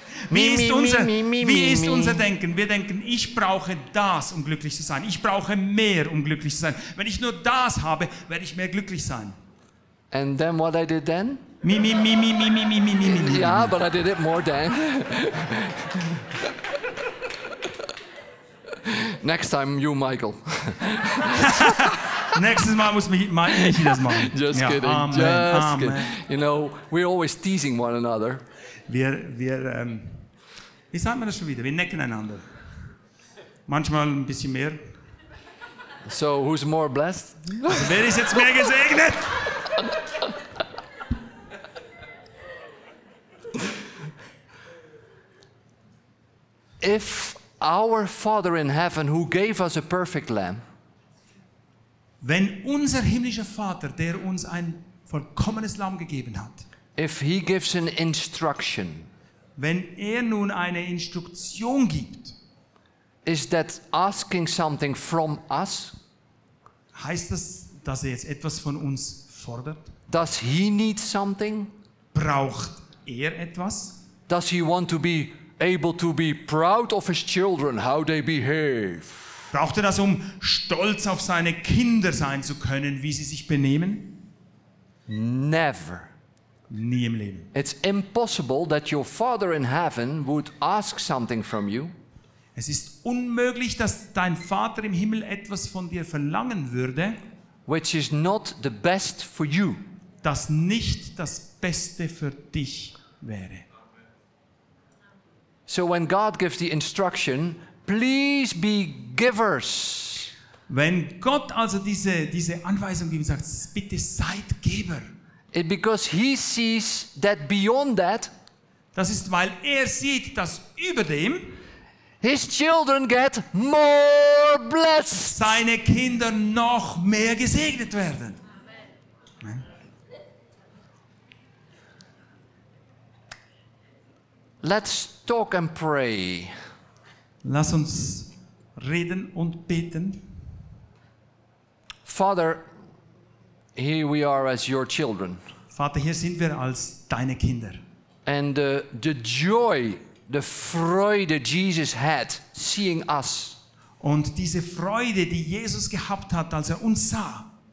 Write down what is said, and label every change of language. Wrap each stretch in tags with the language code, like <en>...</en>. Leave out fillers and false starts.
<de>Wie ist unser Denken? Wir denken, ich brauche das, um glücklich zu sein. Ich brauche mehr, um glücklich zu sein. Wenn ich nur das habe, werde ich mehr glücklich sein.</de> <en>And then what I did then? Me, me, me, me, me, me, me, me, me, me, me. Yeah, but I did it more then. Next time you, Michael.</en> <de>Nächstes Mal muss ich das machen.</de> <en>Just kidding. Amen. Just kidding. You know, we're always teasing one another.</en> <de>Wie sagt man das schon wieder? Wir necken einander. Manchmal ein bisschen mehr.</de> <en>So, who's more blessed?</en> <de>Also, wer ist jetzt mehr gesegnet?</de> <en>If our Father in heaven, who gave us a perfect lamb,</en> <de>wenn unser himmlischer Vater, der uns ein vollkommenes Lamm gegeben hat,</de> <en>if he gives an instruction,</en> <de>wenn er nun eine Instruktion gibt,</de> <en>is that asking something from us?</en> <de>Heißt das, dass er jetzt etwas von uns fordert?</de> <en>Does he need something?</en> <de>Braucht er etwas?</de> <en>Does he want to be able to be proud of his children, how they behave?</en> <de>Braucht er das, um stolz auf seine Kinder sein zu können, wie sie sich benehmen?</de> <en>Never.</en> <de>Nie im Leben.</de> <en>It's impossible that your Father in heaven would ask something from you.</en> <de>Es ist unmöglich, dass dein Vater im Himmel etwas von dir verlangen würde,</de> <en>which is not the best for you.</en> <de>Das nicht das Beste für dich wäre.</de> <en>So when God gives the instruction, please be givers.</en> <de>Wenn Gott also diese Anweisung gibt, sagt, bitte seid Geber.</de> <en>It because he sees that beyond that,</en> <de>das ist, weil er sieht, dass über dem,</de> <en>his children get more blessed.</en> <de>Seine Kinder noch mehr gesegnet werden.</de> <en>Amen. Let's talk and pray.</en> <de>Lass uns reden und beten.</de> <en>Father, here we are as your children.</en> <de>Vater, hier sind wir als deine Kinder.</de> <en>And the joy, the</en> <de>Freude</de> <en>Jesus had seeing us.</en> <de>Und diese Freude, die Jesus gehabt hat, als er uns sah.</de>